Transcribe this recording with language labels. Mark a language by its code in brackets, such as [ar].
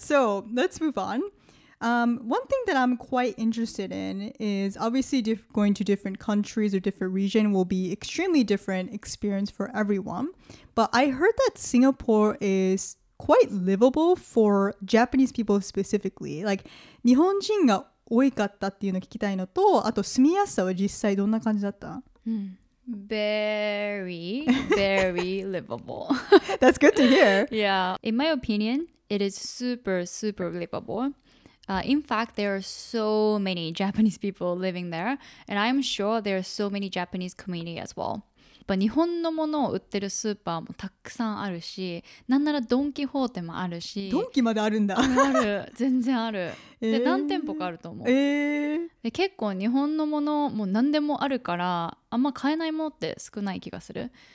[en] So let's move on. One thing that I'm quite interested in is obviously going to different countries or different region will be extremely different experience for everyone. But I heard that Singapore is quite livable for Japanese people specifically. [ja] Like, 日本人が多いかったっていうのを聞きたいのと、あと住みやすさは実際どんな感じだった？ [en] Very, very livable. That's good to hear. Yeah. In my opinion, it is super, super livable. In fact, there are so many Japanese people living there, and I'm sure there are so many Japanese community as well. [ja] But 日本のものを売ってるスーパーもたくさんあるし、なんならドンキホーテもあるし。ドンキまであるんだ。ある、全然ある。で、何店舗かあると思う。で、結構日本のものもう何でもあるから、あんま買えないものって少ない気がする。